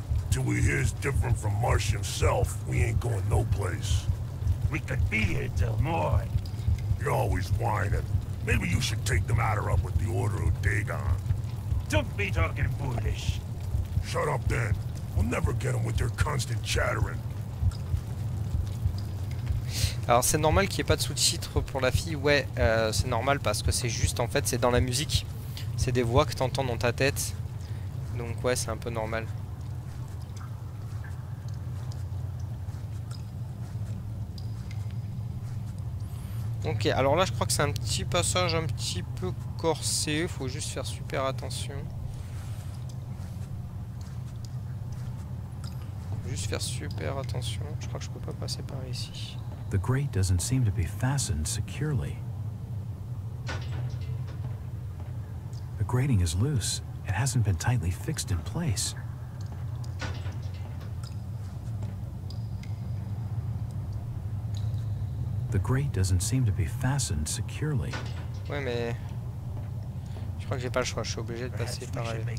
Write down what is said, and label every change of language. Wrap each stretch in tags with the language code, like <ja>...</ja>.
<en>Till we hear it's different from Marsh himself, we ain't going no place. We could be here till morn. You're always whining. Maybe you should take the matter up with the Order of Dagon. Don't be talking foolish. Shut up then. We'll never get them with their constant chattering.</en> <fr>Alors c'est normal qu'il n'y ait pas de sous-titres pour la fille. Ouais, c'est normal parce que c'est juste en fait, c'est dans la musique. C'est des voix que t'entends dans ta tête. Donc ouais, c'est un peu normal. Ok, alors là je crois que c'est un petit passage un petit peu corsé, faut juste faire super attention. Juste faire super attention, je crois que je peux pas passer par ici.</fr> <en>The grate doesn't seem to be fastened securely. The grating is loose. It hasn't been tightly fixed in place. The grate doesn't seem to be fastened securely.</en> <fr>Ouais, mais je crois que j'ai pas le choix, je suis obligé de passer par là.</fr>